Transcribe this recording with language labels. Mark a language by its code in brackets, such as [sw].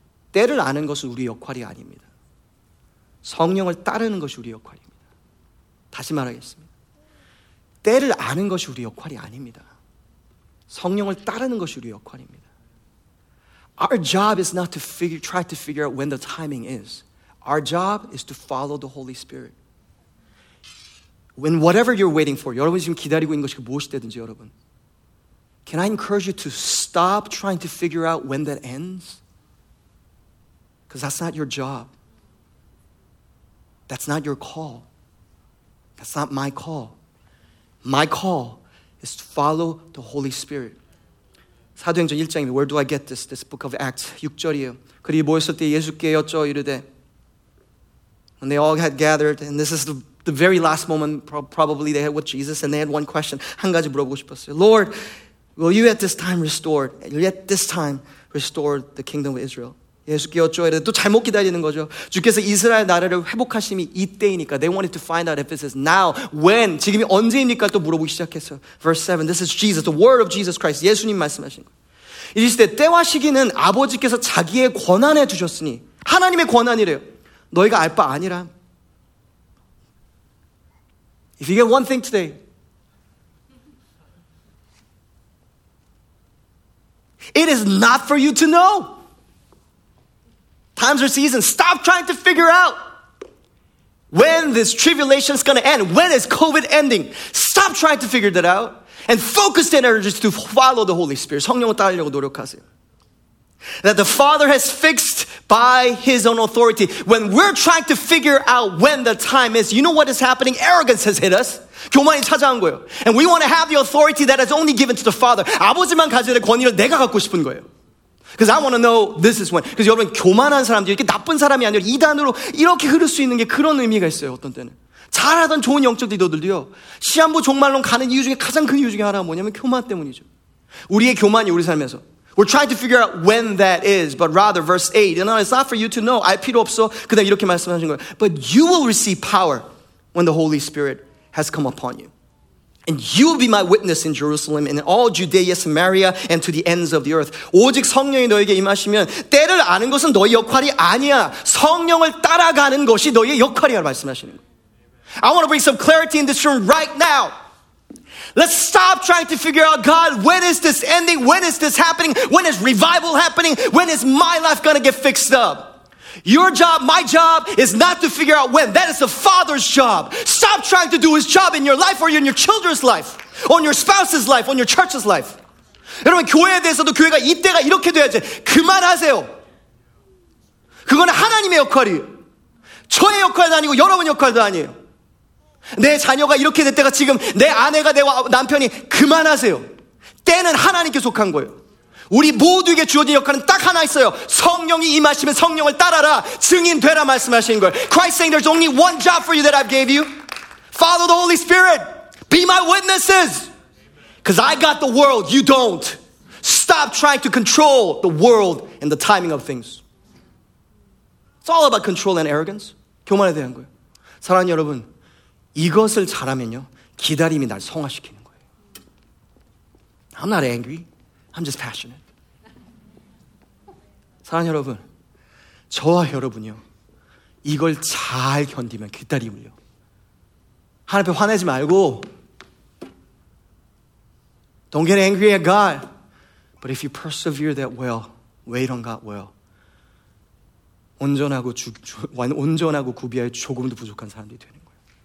[ko] 때를 아는 것은 우리 역할이 아닙니다. 성령을 따르는 것이 우리 역할입니다. 다시 말하겠습니다. 때를 아는 것이 우리 역할이 아닙니다. 성령을 따르는 것이 우리 역할입니다. [en] Our job is not to try to figure out when the timing is. Our job is to follow the Holy Spirit. When whatever you're waiting for, [ko] 여러분이 지금 기다리고 있는 것이 무엇이 되든지 여러분, [en] can I encourage you to stop trying to figure out when that ends? Because that's not your job. That's not your call. That's not my call. My call is to follow the Holy Spirit. [ko] 사도행전 1장입니다. [en] Where do I get this? This book of Acts [ko] 6절이에요. 그리고 모였을 때 예수께 여쭈어 이르되 [en] When they all had gathered, and this is the very last moment probably they had with Jesus, and they had one question. [ko] 한 가지 물어보고 싶었어요. [en] Lord, will you at this time restore, the kingdom of Israel? [ko] 예수께 여쭈어 이르되 또 잘못 기다리는 거죠. 주께서 이스라엘 나라를 회복하심이 이때이니까 [en] they wanted to find out if this is now, when, [ko] 지금이 언제입니까? 또 물어보기 시작했어요. [en] Verse 7, this is Jesus, the word of Jesus Christ. [ko] 예수님 말씀하신 거예요. 이르시되 때와 시기는 아버지께서 자기의 권한에 두셨으니 하나님의 권한이래요. 너희가 알 바 아니라. [en] If you get one thing today, it is not for you to know. Times or seasons, stop trying to figure out when this tribulation is going to end. When is COVID ending? Stop trying to figure that out and focus the energies to follow the Holy Spirit. [ko] 성령을 따르려고 노력하세요. [en] That the Father has fixed by His own authority. When we're trying to figure out when the time is, you know what is happening? Arrogance has hit us. [ko] 교만이 찾아온 거예요. [en] And we want to have the authority that is only given to the Father. [ko] 아버지만 가져야 될 권위를 내가 갖고 싶은 거예요. [en] Because I want to know this is when. [ko] Because 여러분, 교만한 사람들이 이렇게 나쁜 사람이 아니라 이단으로 이렇게 흐를 수 있는 게 그런 의미가 있어요, 어떤 때는. 잘하던 좋은 영적들이 너들도요. 시한부 종말론 가는 이유 중에 가장 큰 이유 중에 하나가 뭐냐면 교만 때문이죠. 우리의 교만이 우리 삶에서. [en] We're trying to figure out when that is, but rather, verse 8, you know, it's not for you to know. [ko] 알 필요 없어. 그 다음 이렇게 말씀하신 거예요. [en] But you will receive power when the Holy Spirit has come upon you. And you will be my witness in Jerusalem and in all Judea, Samaria, and to the ends of the earth. [ko] 오직 성령이 너에게 임하시면 때를 아는 것은 너의 역할이 아니야. 성령을 따라가는 것이 너의 역할이야 말씀하시는 거예요. [en] I want to bring some clarity in this room right now. Let's stop trying to figure out, God, when is this ending? When is this happening? When is revival happening? When is my life going to get fixed up? Your job, my job, is not to figure out when. That is the Father's job. Stop trying to do His job in your life or in your children's life, on your spouse's life, on your church's life. [ko] 여러분, 교회에 대해서도 교회가 이때가 이렇게 돼야지. 그만하세요. 그건 하나님의 역할이에요. 저의 역할도 아니고 여러분 역할도 아니에요. 내 자녀가 이렇게 될 때가 지금 내 아내가 내 남편이 그만하세요. 때는 하나님께 속한 거예요. 우리 모두에게 주어진 역할은 딱 하나 있어요. 성령이 임하시면 성령을 따라라. 증인 되라 말씀하시는 거예요. [en] Christ saying there's only one job for you that I've gave you. Follow the Holy Spirit. Be my witnesses. Because I got the world, you don't. Stop trying to control the world and the timing of things. It's all about control and arrogance. [ko] 교만에 대한 거예요. 사랑하는 여러분, 이것을 잘하면요, 기다림이 날 성화시키는 거예요. [en] I'm not angry. I'm just passionate. [ko] 사랑하는 여러분, 저와 여러분이요, 이걸 잘 견디면 기다림을요. 하나님 앞에 화내지 말고, [en] Don't get angry at God. But if you persevere that well, wait on God well. [ko] 온전하고 구비하여 조금도 부족한 사람들이 되는 거예요.